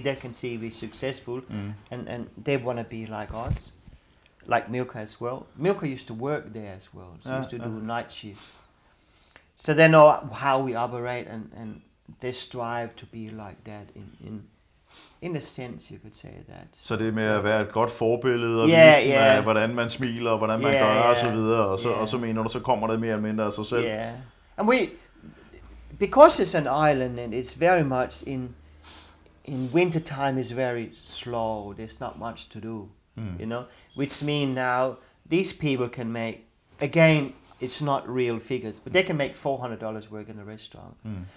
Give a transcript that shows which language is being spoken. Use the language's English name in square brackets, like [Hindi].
[English] They can see we're successful and they want to be like us, like Milka as well. Milka used to work there as well. She used to do night shifts. So they know how we operate and they strive to be like that in a sense, you could say that. [Danish] Så det med at være et godt forbillede og vise dem af, hvordan man smiler og hvordan man gør og så videre og så og så mener du så kommer det mere eller mindre af sig selv. [English] Yeah. And we, because it's an island and it's very much in winter time is very slow. There's not much to do, you know. Which mean now these people can make again. It's not real figures, but they can make $400 work in the restaurant. Mm.